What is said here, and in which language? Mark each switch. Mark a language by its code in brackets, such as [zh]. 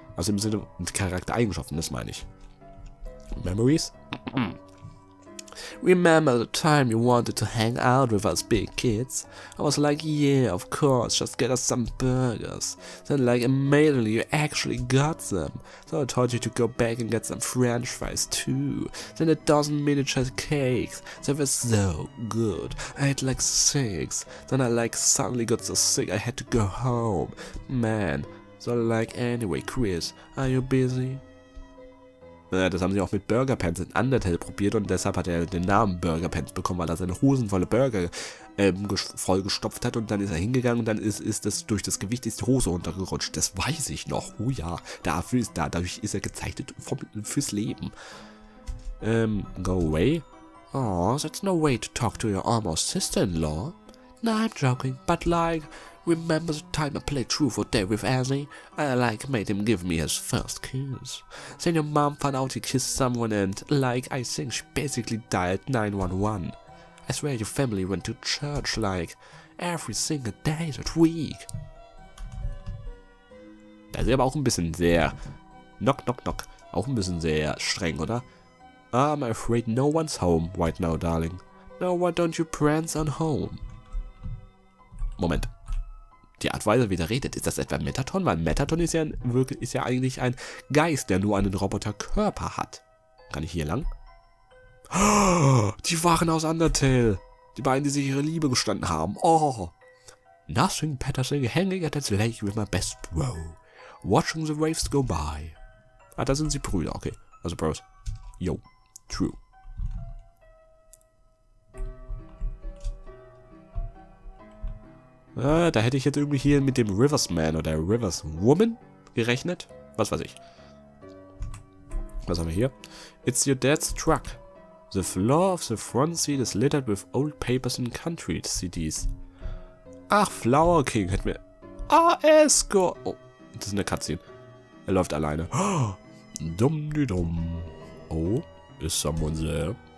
[de] Also im Sinne von Charaktereigenschaften, das meine ich. [en] Memories? Remember the time you wanted to hang out with us big kids? I was like, yeah, of course, just get us some burgers. Then like, immediately you actually got them. So I told you to go back and get some french fries too. Then a dozen miniature cakes. They were so good. I had like 6. Then I like suddenly got so sick I had to go home. Man, so like anyway, Chris, are you busy? [de] Naja, das haben sie auch mit Burger Pants in Undertale probiert und deshalb hat er den Namen Burger Pants bekommen, weil er seine Hosen volle Burger vollgestopft hat und dann ist er hingegangen und dann ist das durch das Gewicht ist die Hose runtergerutscht. Das weiß ich noch. Oh ja, dadurch ist er gezeichnet fürs Leben. [en] Go away. Oh, that's no way to talk to your almost sister-in-law. No, I'm joking, but like, remember the time I played Truth or Dare with Annie? I like made him give me his first kiss. Then your mom found out he kissed someone and like I think she basically dialed 911. I swear your family went to church like every single day that week. [de] Das ist aber auch ein bisschen sehr knock knock knock. Auch ein bisschen sehr streng, oder? [en] I'm afraid no one's home right now, darling. Now why don't you prance on home? [de] Moment. Die Art, wie er redet, ist das etwa Metaton? Weil Metaton ist ja eigentlich ein Geist, der nur einen Roboterkörper hat. Kann ich hier lang? Die waren aus Undertale. Die beiden, die sich ihre Liebe gestanden haben. Oh. [en] Nothing Patterson hanging at that lake with my best bro. Watching the waves go by. [de] Ah, da sind sie Brüder, okay. Also Bros. Yo. True. Ah, da hätte ich jetzt irgendwie hier mit dem Riversman oder Riverswoman gerechnet. Was weiß ich. Was haben wir hier? [en] It's your dad's truck. The floor of the front seat is littered with old papers and country CDs. [de] Ach, Flower King hätte mir... Ah, Escort! Oh, das ist eine Cutscene. Er läuft alleine. [en] Dumm-di-dumm. Oh, is someone there?